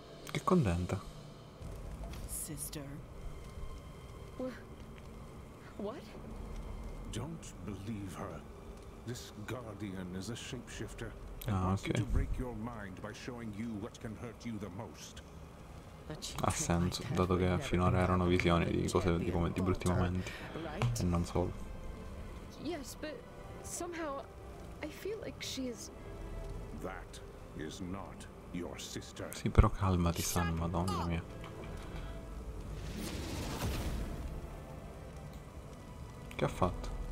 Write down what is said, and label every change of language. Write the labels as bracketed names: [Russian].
[Italian] Che contenta. [English] Sister. What? Don't believe her. This guardian is a shapeshifter. Ah, okay. Wants to break your mind by showing you what can hurt you the most. [Italian] Ha senso, dato che finora erano visioni di cose di, come, di brutti momenti. E non solo. [English] Yes, but somehow I feel like she is. That is not your sister. [Italian] Sì, però calmati, San, madonna mia. Che ha fatto?